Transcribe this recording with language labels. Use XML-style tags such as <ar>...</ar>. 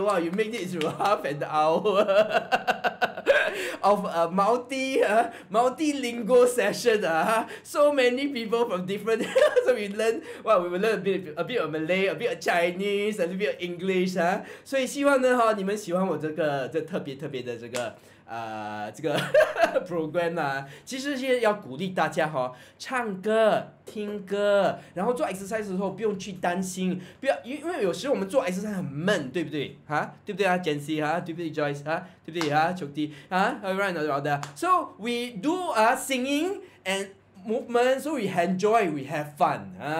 <en>Wow， you made it through half an hour. of a multilingual session so many people from different so we will learn a bit of Malay, a bit of Chinese, a little bit of English</en> <zh>所以希望呢你们喜欢我这个特别的这个这个program 啊，其实是要鼓励大家哈，唱歌、听歌，然后做 exercise 的时候不用去担心，不要，因为有时我们做 exercise 很闷，对不对？哈，对不对啊 ，Jensie 哈，对不对 ，Joyce 哈，对不对啊 ，Chokti 啊 ，</zh> <en>Alright not about that. So we do singing and movement, so we enjoy, we have fun.</en>